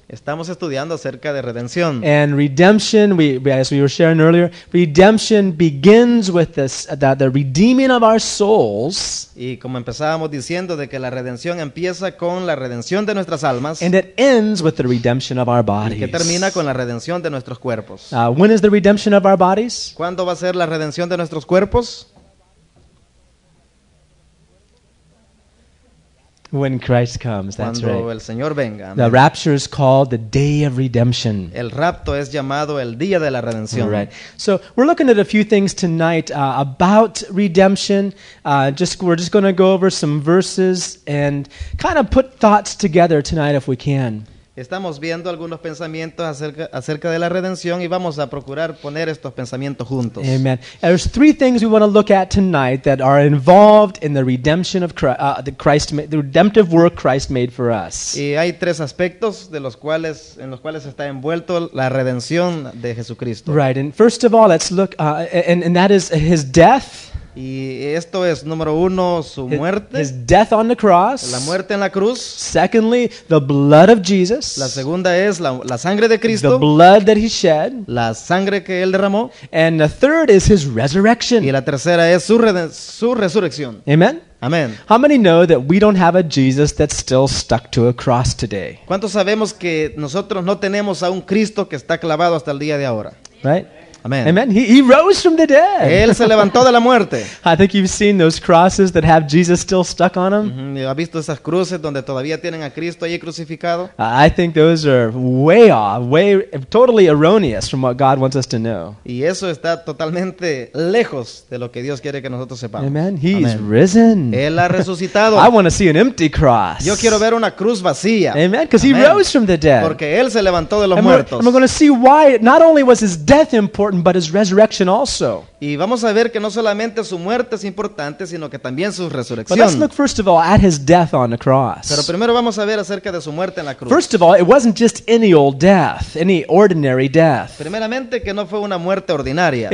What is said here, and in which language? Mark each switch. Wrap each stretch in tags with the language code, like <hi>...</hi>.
<es>Estamos estudiando acerca de redención.</es> <en>And redemption, as we were sharing earlier, redemption begins with this, that the redeeming of our souls.</en> <es>Y como empezábamos diciendo de que la redención empieza con la redención de nuestras almas.</es> <en>And it ends with the redemption of our bodies.</en> <es>Y que termina con la redención de nuestros cuerpos.</es> <en>When is the redemption of our bodies?</en> <es>¿Cuándo va a ser la redención de nuestros cuerpos?</es> <en>When Christ comes, that's</en> <es>cuando</es> <en>right.</en> <es>El Señor venga,</es> <en>the rapture is called the day of redemption.</en> <es>El rapto es llamado el día de la redención.</es> <en>Right. So we're looking at a few things tonight about redemption. We're just going to go over some verses and kind of put thoughts together tonight if we can.</en> <es>Estamos viendo algunos pensamientos acerca de la redención y vamos a procurar poner estos pensamientos juntos. Amen.</es> <en>There's three things we want to look at tonight that are involved in the redemption of Christ, the redemptive work Christ made for us.</en> <es>Y hay tres aspectos en los cuales está envuelto la redención de Jesucristo.</es> <en>Right. And first of all, let's look and that is his death.</en> <es>Y esto es número uno, su muerte.</es> <en>His death on the cross.</en> <es>La muerte en la cruz.</es> <en>Secondly, the blood of Jesus.</en> <es>La segunda es la sangre de Cristo.</es> <en>The blood that he shed.</en> <es>La sangre que él derramó.</es> <en>And the third is his resurrection.</en> <es>Y la tercera es su resurrección. Amen. Amen.</es> <en>How many know that we don't have a Jesus that's still stuck to a cross today?</en> <es>¿Cuántos sabemos que nosotros no tenemos a un Cristo que está clavado hasta el día de ahora?</es> <en>Right. Amen. Amen. He rose from the dead.</en> <es>Él se levantó de la muerte.</es> <en>I think you've seen those crosses that have Jesus still stuck on them. Mm-hmm.</en> <es>¿Has visto esas cruces donde todavía tienen a Cristo allí crucificado?</es> <en>I think those are way off, way totally erroneous from what God wants us to know.</en> <es>Y eso está totalmente lejos de lo que Dios quiere que nosotros sepamos.</es> <en>Amen. He is risen.</en> <es>Él ha resucitado.</es> <en>I want to see an empty cross.</en> <es>Yo quiero ver una cruz vacía. Amen.</es> <en>Because he rose from the dead.</en> <es>Porque él se levantó de los</es> <en>and</en> <es>muertos.</es> <en>And we're going to see why not only was his death important, but his resurrection also.</en> <es>Y vamos a ver que no solamente su muerte es importante, sino que también su resurrección.</es> <en>But let's look first of all at his death on the cross.</en> <es>Pero primero vamos a ver acerca de su muerte en la cruz.</es> <en>First of all, it wasn't just any old death, any ordinary death.</en> <es>Primeramente que no fue una muerte ordinaria.</es>